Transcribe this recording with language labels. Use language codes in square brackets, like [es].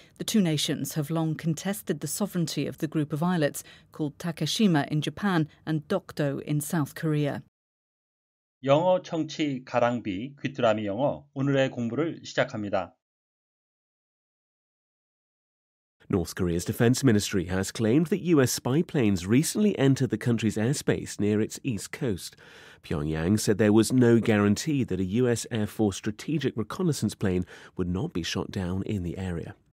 [en] The two nations have long contested the sovereignty of the group of islets called Takeshima in Japan and Dokdo in South Korea. [ko] 영어 청취 가랑비 귀뚜라미 영어 오늘의 공부를 시작합니다. [en] North Korea's defense ministry has claimed that U.S. spy planes recently entered the country's airspace near its east coast. Pyongyang said there was no guarantee that a U.S. Air Force strategic reconnaissance plane would not be shot down in the area.